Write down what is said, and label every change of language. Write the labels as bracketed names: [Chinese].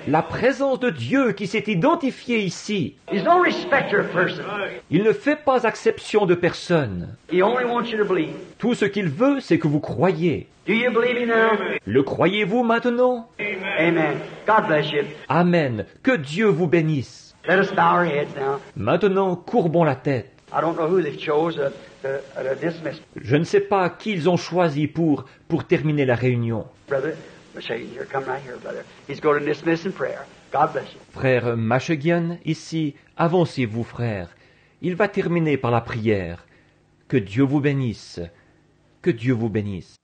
[French] La présence de Dieu qui s'est identifiée ici. [English] He's no respecter of person. [French] Il ne fait pas exception de personne. [English] He only wants you to believe. [French] Tout ce qu'il veut, c'est que vous croyiez. [English] Do you believe me now? [French] Le croyez-vous maintenant? [English] Amen. God bless you. [French] Amen. Que Dieu vous bénisse. [English] Let us bow our heads now. [French] Maintenant, courbons la tête. [English] I don't know who they've chosen to dismiss. [French] Je ne sais pas qui ils ont choisi pour terminer la réunion. [English] Brother Machagian, here, come right here, brother. He's going to dismiss in prayer. God bless you. [French] Frère Machagian, ici, avancez-vous, frère. Il va terminer par la prière. Que Dieu vous bénisse. Que Dieu vous bénisse.